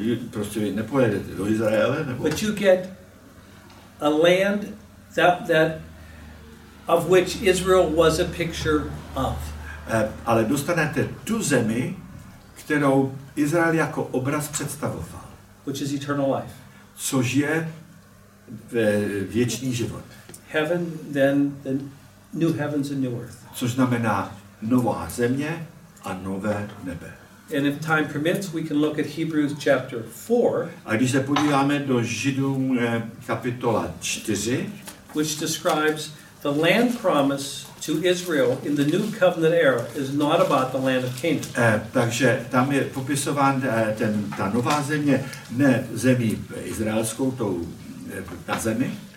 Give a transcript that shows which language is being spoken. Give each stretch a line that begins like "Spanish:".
Czech: Prostě nepojedete do Izraele, nebo.
English: But you get a land that of which Israel was a picture of.
Czech: Ale dostanete tu zemi, kterou Izrael jako obraz představoval.
English: Which is eternal life.
Czech: Což je věčný život.
English: Heaven, then the new heavens and new earth.
Czech: Což znamená nová země a nové nebe.
English: And if time permits, we can look at Hebrews chapter 4.
Czech: A když se podíváme do Židům kapitola 4,
English: which describes the land promise to Israel in the new covenant era is not about the land of Canaan.
Czech: Takže tam je popisován ta nová země, ne zemí izraelskou, tou na zemi.